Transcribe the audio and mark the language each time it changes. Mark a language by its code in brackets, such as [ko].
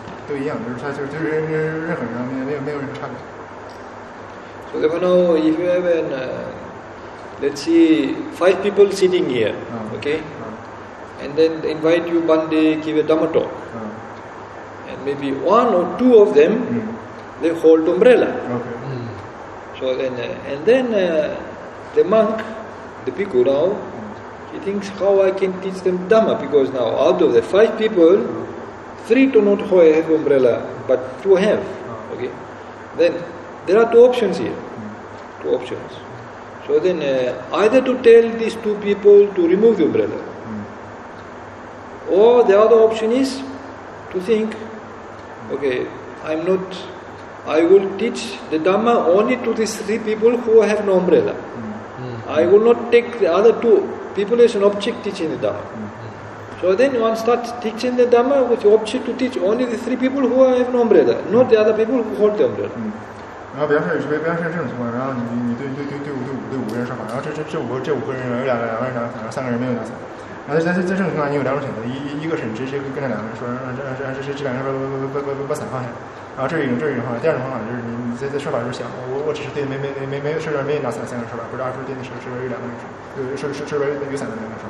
[zh] 都一样，就是他就是任何人，没有任何差别。 [en] So if you have an, let's see, five people sitting here, okay, and then invite you one day give a Dhamma talk. Maybe one or two of them, they hold umbrella. Okay. So then, the monk, the bhikkhu now, he thinks how I can teach them Dhamma, because now out of the five people, three do not have umbrella, but two have. Okay. Then, there are two options here. Two options. So then, either to tell these two people to remove the umbrella, or the other option is to think,Okay, I will teach the Dhamma only to these three people who have no umbrella. I will not take the other two people as an object teaching the Dhamma. So then one starts teaching the Dhamma with the object to teach only the three people who have no umbrella, not the other people who hold the umbrella. [zh] 然后比方说这种情况，然后你对五个人说法，然后这五个人有两个人拿伞，然后三个人没有拿伞。然后在这种情况，你有两种选择，一个是你直接跟着两个人说，这两个人把伞放下。然后这是一种方法，第二种方法就是你在说法的时候想，我只是对没有事没拿伞三个人说法，不是二叔对那是有两个人说，是有伞的两个人说。